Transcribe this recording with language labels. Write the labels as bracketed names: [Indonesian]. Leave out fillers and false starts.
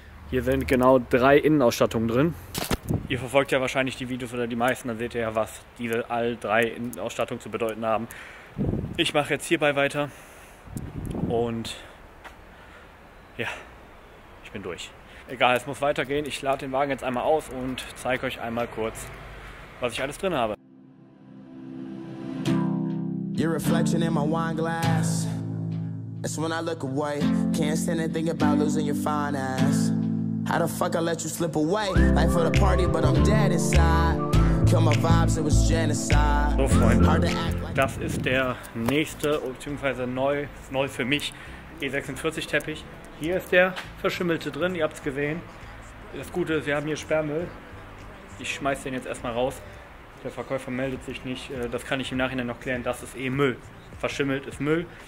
[German] Hier sind genau drei Innenausstattungen drin. Ihr verfolgt ja wahrscheinlich die Videos oder die meisten, dann seht ihr ja, was diese all drei Innenausstattungen zu bedeuten haben. Ich mache jetzt hierbei weiter. Und ja, ich bin durch. Egal, es muss weitergehen. Ich lade den Wagen jetzt einmal aus und zeige euch einmal kurz, was ich alles drin habe. [English] Your reflection in my wine glass. It's when I look away. Can't stand to think about losing your fine ass. How the fuck I let you slip away? Life for the party, but I'm dead inside. Kill my vibes, it was genocide. [German] So, Freunde, das ist der nächste bzw. neu für mich E46 Teppich. Hier ist der Verschimmelte drin, ihr habt es gesehen. Das Gute ist, wir haben hier Sperrmüll. Ich schmeiße den jetzt erstmal raus. Der Verkäufer meldet sich nicht. Das kann ich im Nachhinein noch klären. Das ist eh Müll. Verschimmelt ist Müll.